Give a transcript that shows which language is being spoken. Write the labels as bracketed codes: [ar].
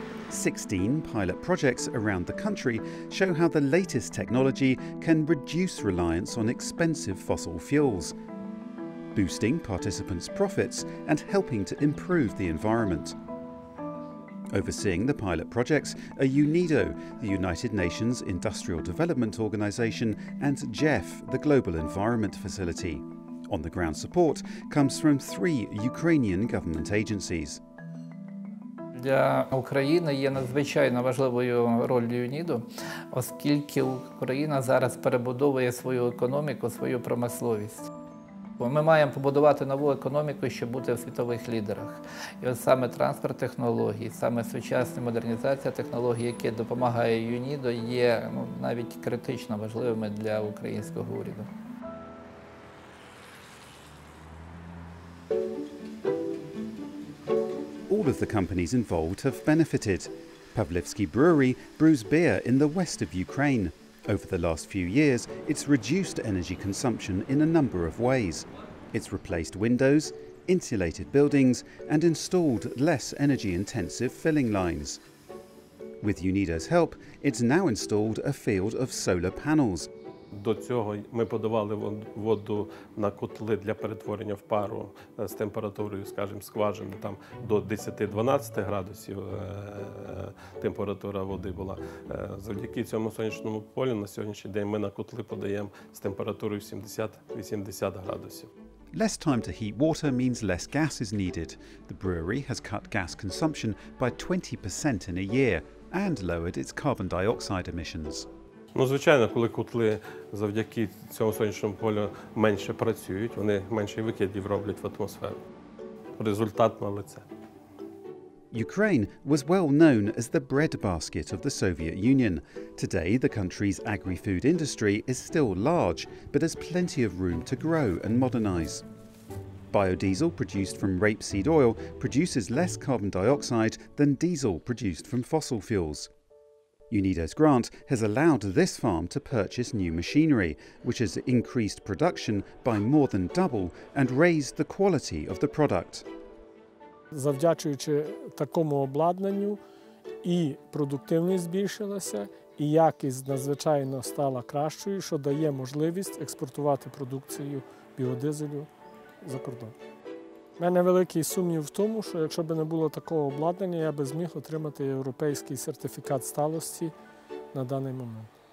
[en] 16 pilot projects around the country show how the latest technology can reduce reliance on expensive fossil fuels, boosting participants' profits and helping to improve the environment. Overseeing the pilot projects are UNIDO, the United Nations Industrial Development Organization, and GEF, the Global Environment Facility. On-the-ground support comes from three Ukrainian government agencies. [uk] Для України є надзвичайно важливою роль UNIDO, оскільки Україна зараз перебудовує свою економіку, свою промисловість. Ми маємо побудувати нову економіку, щоб бути в світових лідерах. І от саме транспорт технологій, саме сучасна модернізація технологій, які допомагає UNIDO, є навіть критично важливими для українського уряду. [en] All of the companies involved have benefited. Pavlivsky Brewery brews beer in the west of Ukraine. Over the last few years, it's reduced energy consumption in a number of ways. It's replaced windows, insulated buildings, and installed less energy-intensive filling lines. With UNIDO's help, it's now installed a field of solar panels. [uk] До цього ми подавали воду на котли для перетворення в пару з температурою, скажімо, скважини, там до 10-12 градусів температура води була. Завдяки цьому сонячному полю на сьогоднішній день ми на котли подаємо з температурою 70-80 градусів. [en] Less time to heat water means less gas is needed. The brewery has cut gas consumption by 20% in a year and lowered its carbon dioxide emissions. [uk] Ну, звичайно, коли котли завдяки цьому сонячному полю менше працюють, вони менше викидів роблять в атмосферу. Результат на лице. [en] Ukraine was well known as the breadbasket of the Soviet Union. Today, the country's agri-food industry is still large, but has plenty of room to grow and modernize. Biodiesel produced from rapeseed oil produces less carbon dioxide than diesel produced from fossil fuels. UNIDO's grant has allowed this farm to purchase new machinery, which has increased production by more than double and raised the quality of the product. [uk] Завдячуючи такому обладнанню, і продуктивність збільшилася, і якість надзвичайно стала кращою, що дає можливість експортувати продукцію біодизелю за кордон. У мене великий сумнів в тому, що якщо б не було такого обладнання, я би зміг отримати європейський сертифікат сталості на даний момент.